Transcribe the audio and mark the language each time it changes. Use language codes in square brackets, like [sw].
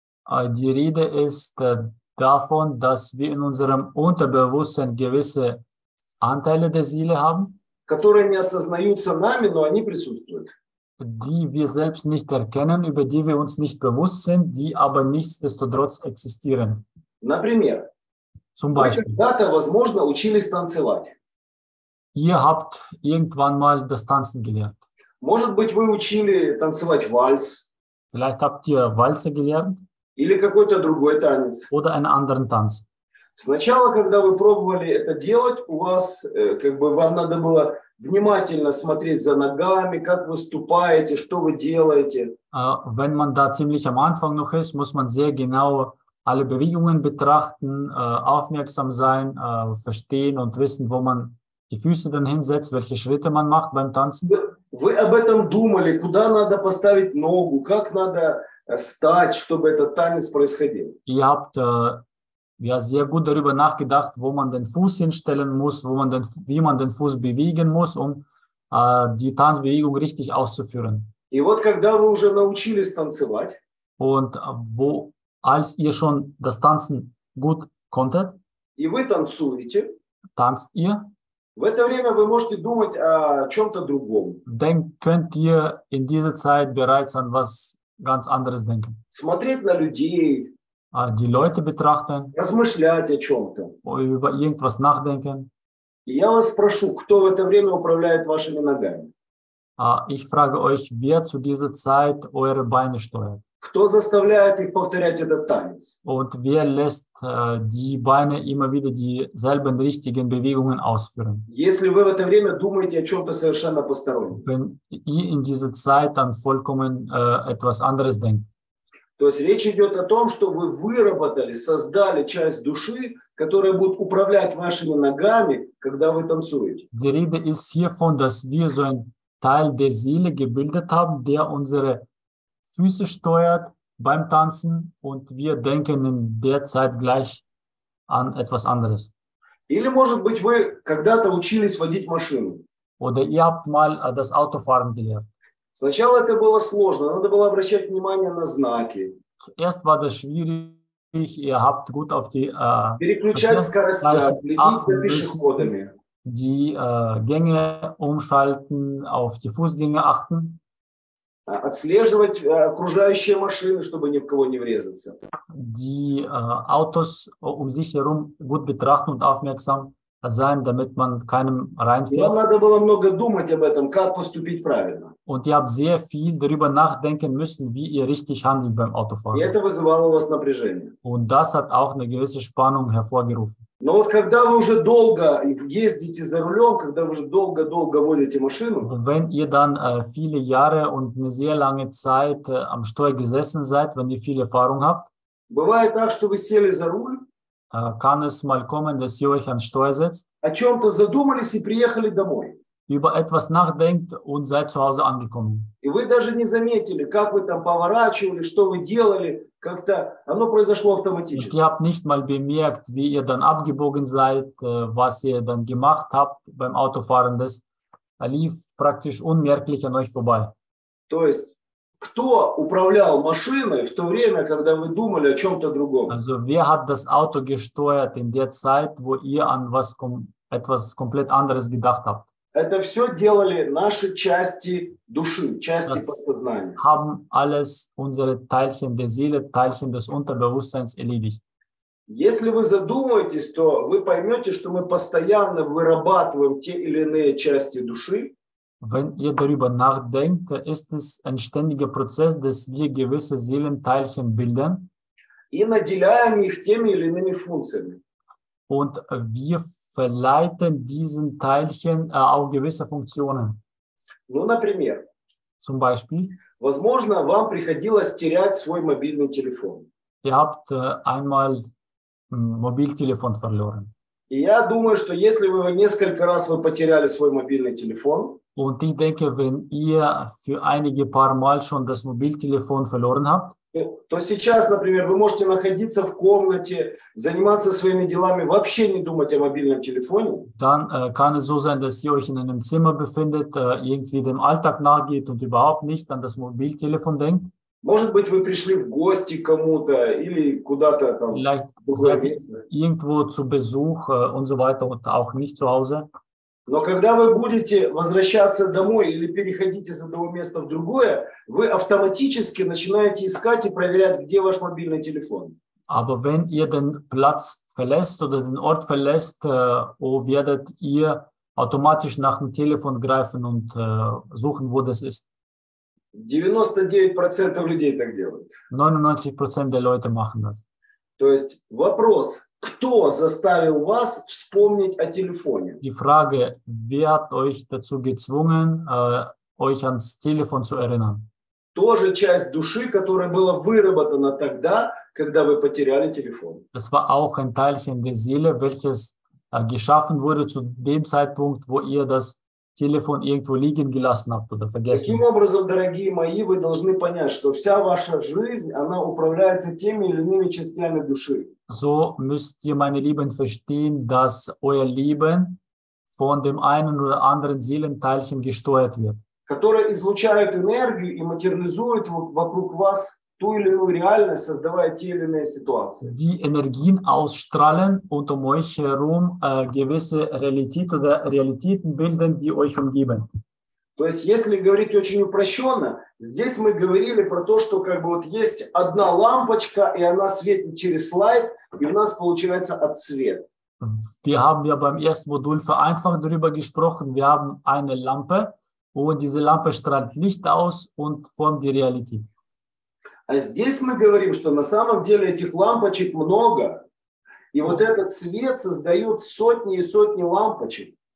[de] Die Rede ist davon, dass wir in unserem Unterbewusstsein gewisse Anteile der Seele haben, [ru] которые не осознаются нами, но они присутствуют. [de] Die wir selbst nicht erkennen, über die wir uns nicht bewusst sind, die aber nichtsdestotrotz existieren. [ru] Например, [de] Zum Beispiel. [ru] Вы когда-то, возможно, учились танцевать. [de] Ihr habt irgendwann mal das Tanzen gelernt. [ru] Может быть, вы учили танцевать вальс. [de] Vielleicht habt ihr Walzer gelernt. [ru] Или какой-то другой танец. [de] Oder einen anderen Tanz. [ru] Сначала, когда вы пробовали это делать, у вас, как бы, вам надо было внимательно смотреть за ногами, как вы ступаете, что вы делаете. [de] Wenn man da ziemlich am Anfang noch ist, muss man sehr genau alle Bewegungen betrachten, aufmerksam sein, verstehen und wissen, wo man die Füße dann hinsetzt, welche Schritte man macht beim Tanzen. [ru] Вы об этом думали, куда надо поставить ногу, как надо стать, чтобы этот танец происходил. [de] Ihr habt ja sehr gut darüber nachgedacht, wo man den Fuß hinstellen muss, wo man den, wie man den Fuß bewegen muss, um die Tanzbewegung richtig auszuführen. [ru] И вот когда вы уже научились танцевать, [de] und wo, als ihr schon das Tanzen gut konntet, [ru] и вы танцуете, [de] tanzt ihr, [ru] в это время вы можете думать о чем-то другом. [de] Dann könnt ihr in dieser Zeit bereits an was ganz anderes denken. [ru] Смотреть на людей, [de] die Leute betrachten, [ru] размышлять о чем-то, [de] über irgendwas nachdenken. [ru] И я вас спрошу, кто в это время управляет вашими ногами? [de] Ich frage euch, wer zu dieser Zeit eure Beine steuert? [ru] Кто заставляет их повторять этот танец? [de] Und wer lässt die Beine immer wieder dieselben richtigen Bewegungen ausführen? [ru] Если вы в это время думаете о чем-то совершенно постороннем. [de] Wenn ihr in dieser Zeit an vollkommen etwas anderes denkt. [ru] То есть речь идет о том, что вы выработали, создали часть души, которая будет управлять вашими ногами, когда вы танцуете. [de] Die Rede ist hiervon, dass wir so ein Teil der Seele gebildet haben, der unsere Füße steuert beim Tanzen und wir denken in der Zeit gleich an etwas anderes. [ru] Или, может быть, вы когда-то учились водить машину. [de] Oder ihr habt mal das Autofahren gelernt. [ru] Сначала это было сложно, надо было обращать внимание на знаки. [de] Zuerst war das schwierig, ihr habt gut auf die [ru] переключать скорости, следить за пешеходами. [de] Die Gänge umschalten, auf die Fußgänger achten. [ru] Отслеживать окружающие машины, чтобы ни в кого не врезаться. [de] Die Autos um sich herum gut betrachten und aufmerksam sein, damit man keinem reinfährt. [ru] Надо было много думать об этом, как поступить правильно. [de] Und ihr habt sehr viel darüber nachdenken müssen, wie ihr richtig handelt beim Autofahren. [ru] И это вызывало у вас напряжение. [de] Und das hat auch eine gewisse Spannung hervorgerufen. [ru] Но вот когда вы уже долго ездите за рулем, когда вы уже долго-долго водите машину, [de] wenn ihr dann viele Jahre und eine sehr lange Zeit am Steuer gesessen seid, wenn ihr viel Erfahrung habt, [ru] бывает так, что вы сели за руль, [de] kann es mal kommen, dass ihr euch ans Steuer setzt, [ru] о чем-то задумались и приехали домой, [de] über etwas nachdenkt und seid zu Hause angekommen. [ru] И вы даже не заметили, как вы там поворачивали, что вы делали, как-то оно произошло автоматически. [de] Und ihr habt nicht mal bemerkt, wie ihr dann abgebogen seid, was ihr dann gemacht habt beim Autofahren, das lief praktisch unmerklich an euch vorbei. [ru] То есть, кто управлял машиной в то время, когда вы думали о чем-то другом? [de] Also, wer hat das Auto gesteuert in der Zeit, wo ihr an was etwas komplett anderes gedacht habt? [ru] Это все делали наши части души, части [de] das [ru] подсознания. [de] Haben alles unsere Teilchen der Seele, Teilchen des Unterbewusstseins erledigt. [ru] Если вы задумаетесь, то вы поймете, что мы постоянно вырабатываем те или иные части души. [de] Wenn ihr darüber nachdenkt, ist es ein ständiger Prozess, dass wir gewisse Seelenteilchen bilden. [ru] И наделяем их теми или иными функциями. [de] Und wir verleiten diesen Teilchen auch gewisse Funktionen. [ru] Ну, например, [de] zum Beispiel, [ru] возможно, вам приходилось терять свой мобильный телефон. [de] Ihr habt einmal Mobiltelefon verloren. [ru] И я думаю, что если вы несколько раз вы потеряли свой мобильный телефон, [de] und ich denke, wenn ihr für einige paar Mal schon das Mobiltelefon verloren habt, [ru] то сейчас, например, вы можете находиться в комнате, заниматься своими делами, вообще не думать о мобильном телефоне. [de] Dann kann es so sein, dass ihr euch in einem Zimmer befindet, irgendwie dem Alltag nachgeht und überhaupt nicht an das Mobiltelefon denkt. [ru] Может быть, вы пришли в гости кому-то или куда-то там. [de] Vielleicht seid ihr irgendwo zu Besuch und so weiter und auch nicht zu Hause. [ru] Но когда вы будете возвращаться домой или переходить из одного места в другое, вы автоматически начинаете искать и проверять, где ваш мобильный телефон. [de] Aber wenn ihr den Platz verlässt oder den Ort verlässt, werdet ihr automatisch nach dem Telefon greifen und suchen, wo das ist. [ru] 99% людей так делают. [de] 99% der Leute machen das. [ru] То есть вопрос, кто заставил вас вспомнить о телефоне? [de] Die Frage, wer hat euch dazu gezwungen, euch ans Telefon zu erinnern? [ru] Тоже часть души, которая была выработана тогда, когда вы потеряли телефон. [de] Das war auch ein Teilchen der Seele, welches geschaffen wurde zu dem Zeitpunkt, wo ihr das Telefon irgendwo liegen gelassen habt oder vergessen. [ru] Таким образом, дорогие мои, вы должны понять, что вся ваша жизнь, она управляется теми или иными частями души. [de] So müsst ihr, meine Lieben, verstehen, dass euer Leben von dem einen oder anderen Seelenteilchen gesteuert wird. [ru] Которые излучают энергию и материализуют вокруг вас ту или иную реальность, создавая те или иные ситуации. [de] Die Energien ausstrahlen und um euch herum gewisse Realität oder Realitäten bilden, die euch umgeben. [ru] То есть, если говорить очень упрощенно, здесь мы говорили про то, что как бы вот есть одна лампочка, и она светит через слайд, и у нас получается отсвет. [de] Wir haben ja beim ersten Modul vereinfacht darüber gesprochen. Wir haben eine Lampe und diese Lampe strahlt Licht aus und formt die Realität. [ru] А здесь мы говорим, что на самом деле этих лампочек много, и вот этот свет создает сотни и сотни лампочек.